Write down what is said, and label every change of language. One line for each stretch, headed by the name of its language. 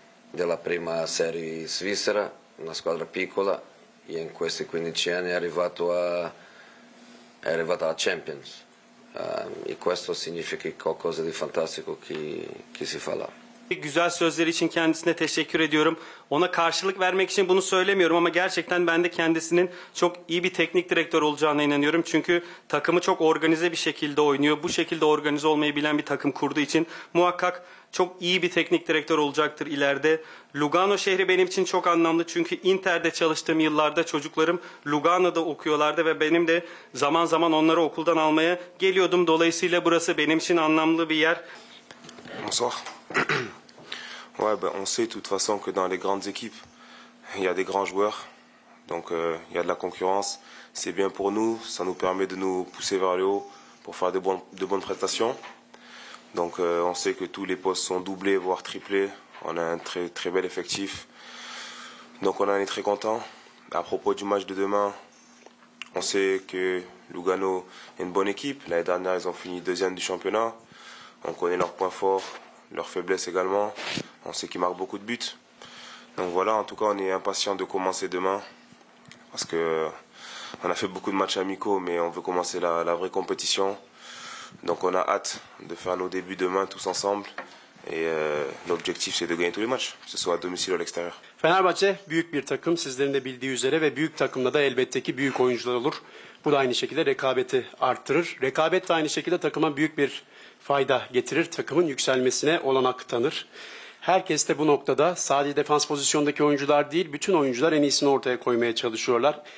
Italian: della prima serie svizzera, una squadra piccola, e in questi 15 anni è arrivata alla Champions. E questo significa qualcosa di fantastico che si fa là.
Turkish: Güzel sözleri için kendisine teşekkür ediyorum. Ona karşılık vermek için bunu söylemiyorum ama gerçekten ben de kendisinin çok iyi bir teknik direktör olacağına inanıyorum. Çünkü takımı çok organize bir şekilde oynuyor. Bu şekilde organize olmayı bilen bir takım kurduğu için muhakkak çok iyi bir teknik direktör olacaktır ileride. Lugano şehri benim için çok anlamlı çünkü Inter'de çalıştığım yıllarda çocuklarım Lugano'da okuyorlardı ve benim de zaman zaman onları okuldan almaya geliyordum. Dolayısıyla burası benim için anlamlı bir yer.
French: Bonsoir. Ouais, ben on sait de toute façon que dans les grandes équipes, il y a des grands joueurs. Donc il y a de la concurrence. C'est bien pour nous, ça nous permet de nous pousser vers le haut pour faire de bonnes prestations. Donc on sait que tous les postes sont doublés, voire triplés. On a un très, très bel effectif. Donc on en est très content. À propos du match de demain, on sait que Lugano est une bonne équipe. L'année dernière, ils ont fini deuxième du championnat. On connaît leurs points forts. Leur faiblesse également. On sait qu'ils marquent beaucoup de buts. Donc voilà, en tout cas, on est impatients de commencer demain. Parce que on a fait beaucoup de matchs amicaux, mais on veut commencer la vraie compétition. Donc on a hâte de faire nos débuts demain tous ensemble. Et l'objectif, c'est de gagner tous les matchs, que ce soit à domicile ou à l'extérieur.
Turkish: Fenerbahçe, büyük bir takım, sizlerin de bildiği üzere. Ve büyük takımda da elbette ki büyük oyuncular olur. Bu da aynı şekilde rekabeti arttırır. Rekabet de aynı şekilde takıma büyük bir fayda getirir, takımın yükselmesine olanak tanır. Herkes de bu noktada sadece defans pozisyondaki oyuncular değil, bütün oyuncular en iyisini ortaya koymaya çalışıyorlar.